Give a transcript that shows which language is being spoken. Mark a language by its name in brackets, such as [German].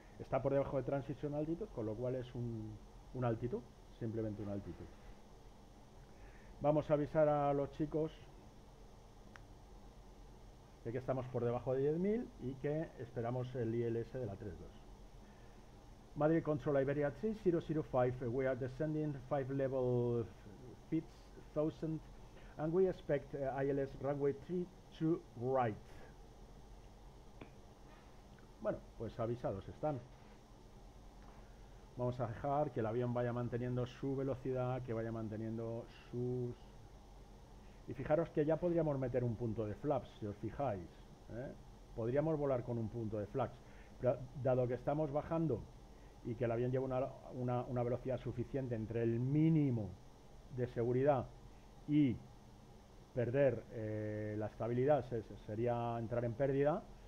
[Spanish] Está por debajo de transition altitude, con lo cual es una altitud, simplemente una altitud. Vamos a avisar a los chicos ya que estamos por debajo de 10.000 y que esperamos el ILS de la 3.2. [English] Madrid Control Iberia 3005, we are descending 5 level 5000 and we expect ILS runway 32 right. [Spanish] Bueno, pues avisados están. Vamos a dejar que el avión vaya manteniendo su velocidad, que vaya manteniendo sus... Y fijaros que ya podríamos meter un punto de flaps, si os fijáis, ¿eh? Podríamos volar con un punto de flaps. Pero dado que estamos bajando y que el avión lleva una velocidad suficiente entre el mínimo de seguridad y perder la estabilidad, sería entrar en pérdida.